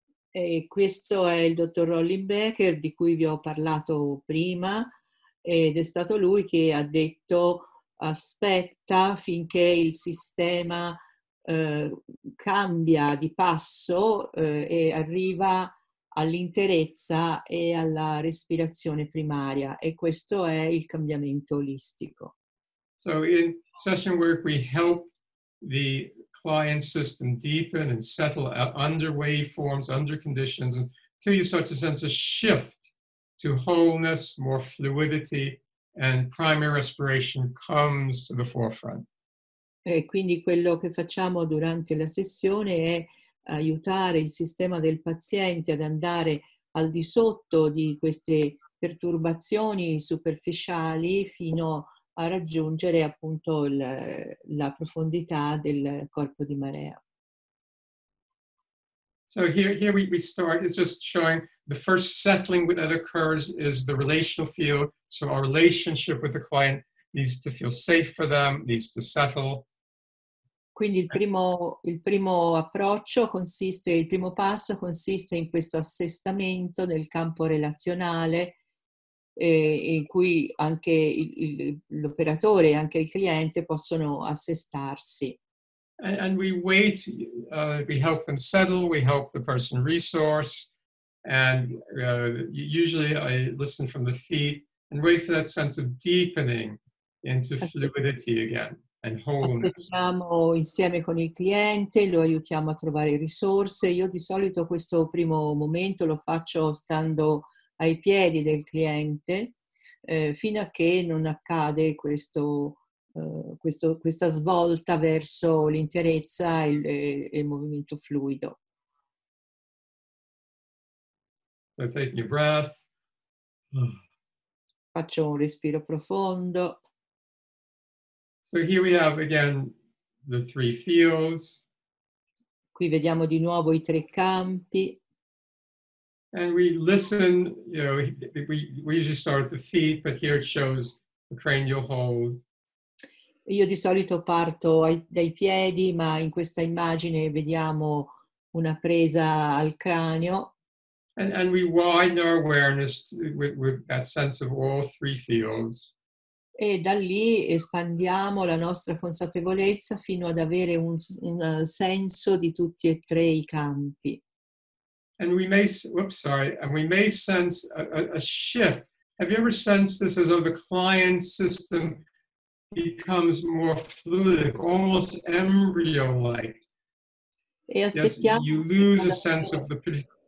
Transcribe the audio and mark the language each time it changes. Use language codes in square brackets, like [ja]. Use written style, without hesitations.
[it] E questo è il dottor Roland Becker, di cui vi ho parlato prima, ed è stato lui che ha detto: aspetta finché il sistema cambia di passo e arriva all'interezza e alla respirazione primaria, e questo è il cambiamento olistico. [en] So in session work we help the client system deepen and settle under waveforms, under conditions, until you start to sense a shift to wholeness, more fluidity, and primary respiration comes to the forefront. [it] E quindi quello che facciamo durante la sessione è aiutare il sistema del paziente ad andare al di sotto di queste perturbazioni superficiali fino a raggiungere appunto la profondità del corpo di marea. [en] So here we start, it's just showing the first settling that occurs is the relational field. So our relationship with the client needs to feel safe for them, needs to settle. [it] Quindi il primo approccio consiste, il primo passo consiste in questo assestamento del campo relazionale in cui anche l'operatore e anche il cliente possono assestarsi. [en] And we wait, we help them settle, we help the person resource, and usually I listen from the feet and wait for that sense of deepening into fluidity again. [it] Aiutiamo insieme con il cliente, lo aiutiamo a trovare risorse. Io di solito questo primo momento lo faccio stando ai piedi del cliente fino a che non accade questa svolta verso l'interezza e il movimento fluido. [en] So take your breath. [it] Faccio un respiro profondo. [en] So here we have again the three fields. [it] Qui vediamo di nuovo i tre campi. [en] And we listen, you know, we usually start at the feet, but here it shows the cranial hold. [it] Io di solito parto dai piedi, ma in questa immagine vediamo una presa al cranio. [en] And we widen our awareness with that sense of all three fields. [it] E da lì espandiamo la nostra consapevolezza fino ad avere un senso di tutti e tre i campi. [en] And we may, sense a shift. Have you ever sensed this as though the client system becomes more fluid, almost embryo-like? [it] E aspettiamo. [en] Yes, you lose a sense of the client.